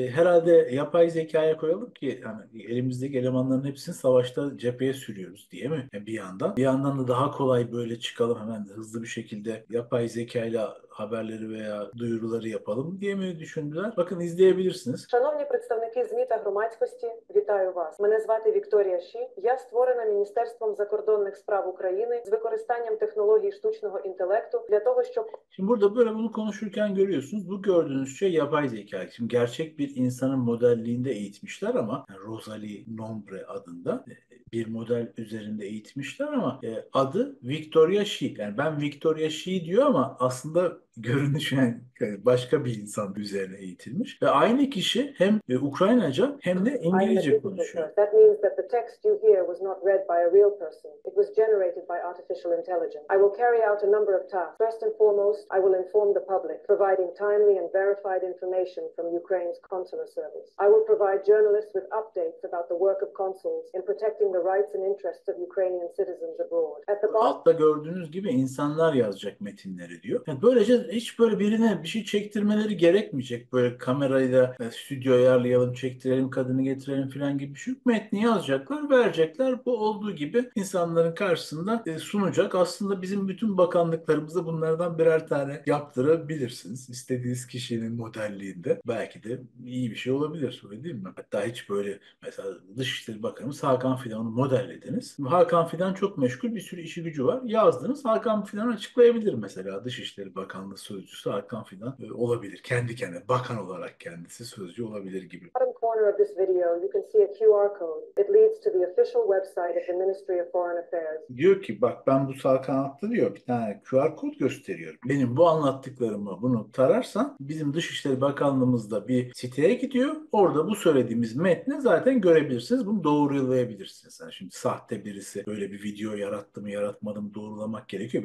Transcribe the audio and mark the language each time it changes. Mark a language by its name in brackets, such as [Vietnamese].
[Turkish] Herhalde yapay zekaya koyalım ki yani elimizdeki elemanların hepsini savaşta cepheye sürüyoruz diye mi? Yani bir yandan. Bir yandan da daha kolay böyle çıkalım hemen hızlı bir şekilde yapay zekayla haberleri veya duyuruları yapalım diye mi düşündüler? Bakın izleyebilirsiniz. [Ukrainian] Шановні представники ЗМІ та громадськості, вітаю вас. Мене звати Вікторія Ші. Я створена Міністерством закордонних справ України з використанням технологій штучного інтелекту для того, щоб [Turkish] Şimdi burada böyle bunu konuşurken görüyorsunuz. Bu gördüğünüz şey yapay zeka. Şimdi gerçek bir insanın modelliğinde eğitmişler ama yani Rosalie Nombre adında bir model üzerinde eğitmişler ama adı Victoria She. Yani ben Victoria She diyor ama aslında görünüş yani başka bir insan üzerine eğitilmiş. Ve aynı kişi hem Ukraynaca hem de [English] I'm a [Turkish] İngilizce konuşuyor. [English] digital nerd. That means that the text you hear was not read by a real person. It was generated by artificial intelligence. I will carry out a number of tasks. First and foremost, I will inform the public, providing timely and verified information from Ukraine's consular service. I will provide journalists with updates about the work of consuls in protecting the rights and interests of Ukrainian citizens abroad. At the bottom. [Turkish] Altta gördüğünüz gibi insanlar yazacak metinleri diyor. Yani böylece hiç böyle birine bir şey çektirmeleri gerekmeyecek. Böyle kamerayla stüdyo ayarlayalım, çektirelim, kadını getirelim falan gibi bir şey. Metni yazacaklar, verecekler. Bu olduğu gibi insanların karşısında sunacak. Aslında bizim bütün bakanlıklarımızda bunlardan birer tane yaptırabilirsiniz. İstediğiniz kişinin modelliğinde belki de iyi bir şey olabilir. Öyle değil mi? Hatta hiç böyle mesela Dışişleri Bakanımız Hakan Fidan'ı modellediniz. Hakan Fidan çok meşgul, bir sürü işi gücü var. Yazdınız. Hakan Fidan açıklayabilir mesela. Dışişleri Bakanlığı sözcüsü Hakan Fidan olabilir. Kendi kendine bakan olarak kendisi sözcü olabilir gibi. [English] Corner of this video, you can see a QR code. It leads to the official website of the Ministry of Foreign Affairs. [Turkish] Diyor ki bak ben bu sağ kanatta diyor bir tane QR kod gösteriyorum. Benim bu anlattıklarımı bunu tararsan bizim Dışişleri Bakanlığımızda bir siteye gidiyor. Orada bu söylediğimiz metni zaten görebilirsiniz. Bunu doğrulayabilirsiniz. Yani şimdi sahte birisi böyle bir video yarattı mı yaratmadı mı doğrulamak gerekiyor.